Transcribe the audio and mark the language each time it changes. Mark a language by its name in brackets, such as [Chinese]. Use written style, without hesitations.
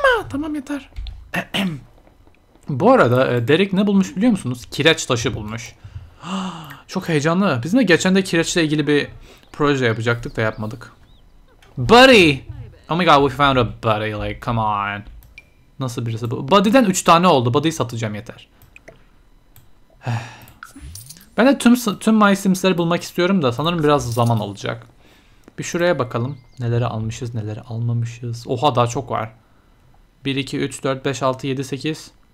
[Turkish] Tamam yeter. Bu arada Derek ne bulmuş biliyor musunuz? Kireç taşı bulmuş. Çok heyecanlı. Bizim de geçen de kireçle ilgili bir proje yapacaktık da yapmadık. [English] Buddy! Oh my god, we found a buddy, like, come on. [Turkish] Nasıl birisi bu? Buddy'den 3 tane oldu. Buddy'yi satacağım yeter. Ben de tüm My Sims'leri bulmak istiyorum da sanırım biraz zaman alacak. Bir şuraya bakalım. Neleri almışız, neleri almamışız. Oha, daha çok var. 1, 2, 3, 4, 5, 6, 7, 8.